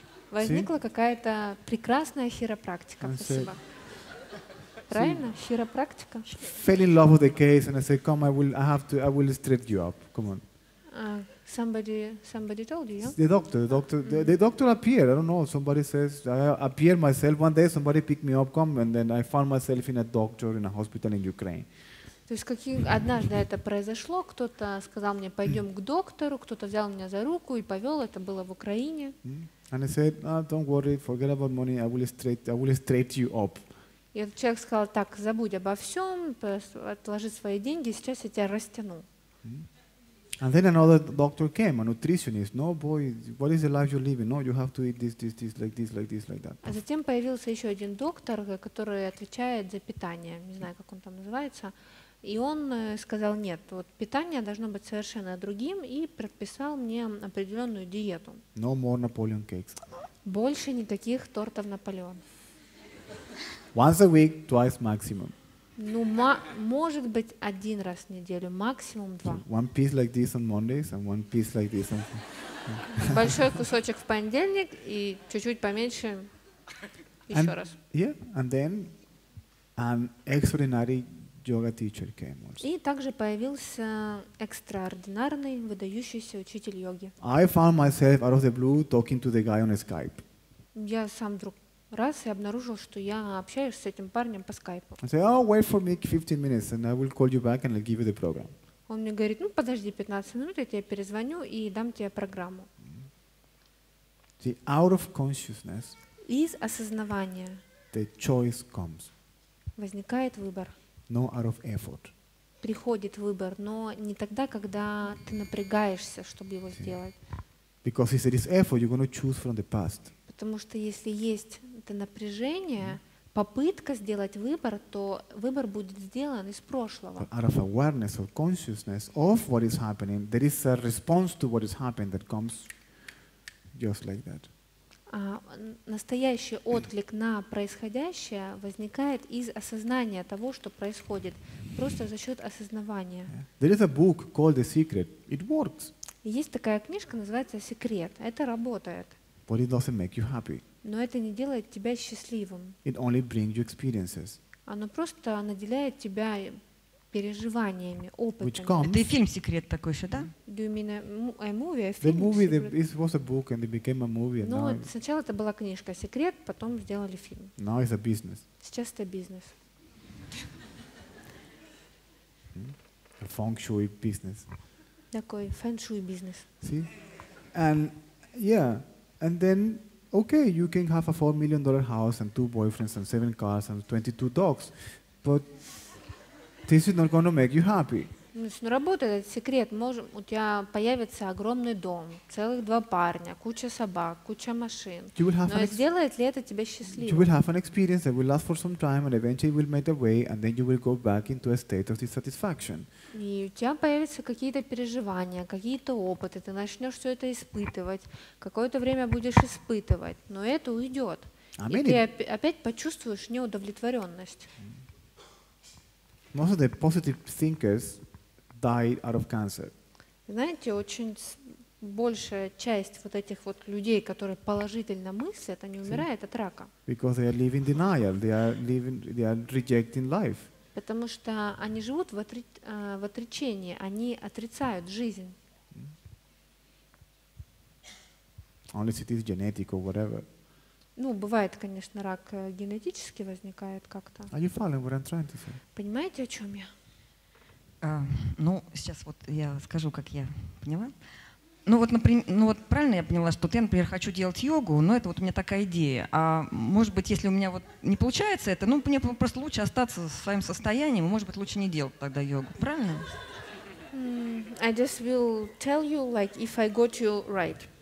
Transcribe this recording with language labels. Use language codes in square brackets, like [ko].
[ru] Возникла какая-то прекрасная хиропрактика. And спасибо. Правильно? Хиропрактика. [en] Fell in love with the case and I said, come, I will straighten you up. Come on. Somebody told you? The doctor appeared. I don't know. Somebody says, I appeared myself one day, somebody picked me up, come, and then I found myself in a doctor in a hospital in Ukraine. [ru] То есть однажды это произошло, кто-то сказал мне, пойдем к доктору, кто-то взял меня за руку и повел, это было в Украине. [en] And I said, don't worry, forget about money, I will straighten you up. [ru] И этот человек сказал, так, забудь обо всем, отложи свои деньги, сейчас я тебя растяну. [en] And then another doctor came, a nutritionist. No, boy, what is the life you're living? No, you have to eat this, like this, like this, like that. [ru] А затем появился еще один доктор, который отвечает за питание. Не знаю, как он там называется. И он сказал, нет, вот питание должно быть совершенно другим и предписал мне определенную диету. [en] No more Napoleon cakes. [ru] Больше никаких тортов Наполеон. [en] Once a week, twice maximum. [ru] Ну, может быть, один раз в неделю, максимум два. [en] One piece like this on Mondays and one piece like this on. [ru] Большой кусочек в понедельник и чуть-чуть поменьше еще раз. [en] Yeah, and then an extraordinary yoga teacher came also. [ru] И также появился экстраординарный выдающийся учитель йоги. [en] I found myself out of the blue talking to the guy on Skype. [ru] Я сам вдруг раз и обнаружил, что я общаюсь с этим парнем по скайпу. [en] I say, oh, wait for me 15 minutes, and I will call you back, and I'll give you the program. [ru] Он мне говорит, ну подожди 15 минут, я тебе перезвоню и дам тебе программу. [en] See, out of consciousness. [ru] Из осознавания. [en] The choice comes. [ru] Возникает выбор. [en] No, out of effort. [ru] Приходит выбор, но не тогда, когда ты напрягаешься, чтобы его сделать. [en] Because if there is effort, you're going to choose from the past. [ru] Потому что если есть это напряжение, попытка сделать выбор, то выбор будет сделан из прошлого. [en] Out of awareness or consciousness of what is happening, there is a response to what is happening that comes just like that. [ru] Настоящий отклик на происходящее возникает из осознания того, что происходит, просто за счет осознавания. [en] Yeah. There is a book called The Secret. It works. [ru] Есть такая книжка, называется «Секрет». Это работает. [en] But it doesn't make you happy. [ru] Но это не делает тебя счастливым. [en] It only brings you experiences. [ru] Оно просто наделяет тебя переживаниями, опытами. [en] Which comes? [ru] Это и фильм «Секрет» такой еще, да? [en] Do you mean a movie? A film, the movie, it was a book and it became a movie. [ru] Ну, сначала это была книжка «Секрет», потом сделали фильм. [en] Now it's a business. [ru] Сейчас это бизнес. [en] A feng shui business. [ru] Такой feng shui бизнес. [en] See? And yeah, and then okay, you can have a $4 million house and 2 boyfriends and 7 cars and 22 dogs, but this is not going to make you happy. [ru] Ну, работает этот секрет. Может, у тебя появится огромный дом, целых два парня, куча собак, куча машин. Но сделает ли это тебя счастливым? You will have an experience that will last for some time, and eventually will make a way, and then you will go back into a state of dissatisfaction. И у тебя появятся какие-то переживания, какие-то опыты, ты начнешь все это испытывать, какое-то время будешь испытывать, но это уйдет. И ты опять почувствуешь неудовлетворенность. [en] Most of the positive thinkers died out of cancer. [ru] Знаете, очень большая часть вот этих вот людей, которые положительно мыслят, они умирают от рака. [en] Because they are living denial, they are rejecting life. [ru] Потому что они живут в отречении, они отрицают жизнь. [en] Unless it is genetic or whatever. [ru] Ну, бывает, конечно, рак генетически возникает как-то. [en] Are you following what I'm trying to say? [ru] Понимаете, о чем я? Ну, сейчас вот я скажу, как я поняла. Ну вот, например, ну вот правильно я поняла, что я, например, хочу делать йогу, но это вот у меня такая идея. А может быть, если у меня вот не получается это, ну мне просто лучше остаться со своим состоянием, может быть, лучше не делать тогда йогу. Правильно? [en] I just will tell you, like, if I got you right.